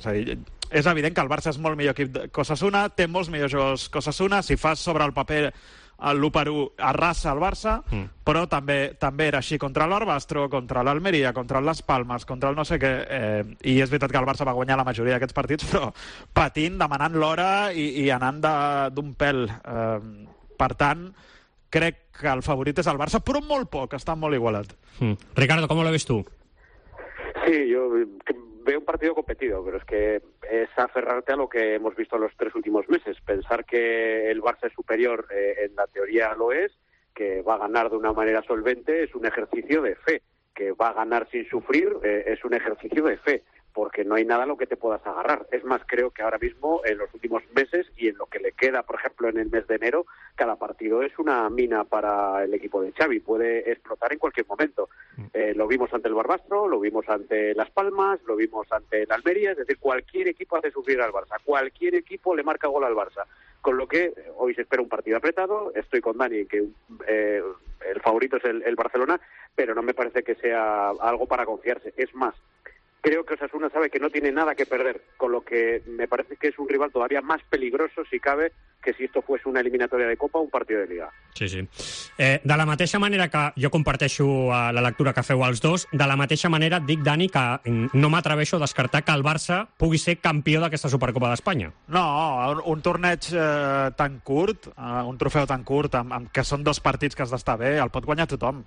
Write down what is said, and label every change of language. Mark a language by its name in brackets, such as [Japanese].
[Catalan] És a dir, és evident que el Barça és molt millor equip que Osasuna, té molts millors jugadors que Osasuna, si fas sobre el paper l'1-1 arrasa el Barça, però també era així contra l'Orbastro, contra l'Almeria, contra les Palmes, contra el no sé què, i és veritat que el Barça va guanyar la majoria d'aquests partits, però patint, demanant l'hora i anant d'un pèl. Per tant, crec que el favorit és el Barça, però molt poc, està molt igualat. Ricardo, com ho veus tu? [Spanish] Sí, yo veo un partido competido, pero es que es aferrarte a lo que hemos visto en los tres últimos meses. Pensar que el Barça es superior, en la teoría lo es, que va a ganar de una manera solvente, es un ejercicio de fe. Que va a ganar sin sufrir, es un ejercicio de fe, porque no hay nada a lo que te puedas agarrar. Es más, creo que ahora mismo, en los últimos meses y en lo que le queda, por ejemplo, en el mes de enero, cada partido es una mina para el equipo de Xavi. Puede explotar en cualquier momento. Lo vimos ante el Barbastro, lo vimos ante Las Palmas, lo vimos ante el Almería. Es decir, cualquier equipo hace sufrir al Barça. Cualquier equipo le marca gol al Barça. Con lo que hoy se espera un partido apretado. Estoy con Dani, que el favorito es el Barcelona, pero no me parece que sea algo para confiarse. Es más, creo que Osasuna sabe que no tiene nada que perder, con lo que me parece que es un rival todavía más peligroso, si cabe, que si esto fuese una eliminatoria de Copa o un partido de Liga. Sí, sí. [Catalan] De la mateixa manera que jo comparteixo la lectura que feu els dos, de la mateixa manera et dic, Dani, que no m'atreveixo a descartar que el Barça pugui ser campió d'aquesta Supercopa d'Espanya. No, un torneig tan curt, un trofeu tan curt, amb que són dos partits que has d'estar bé, el pot guanyar tothom.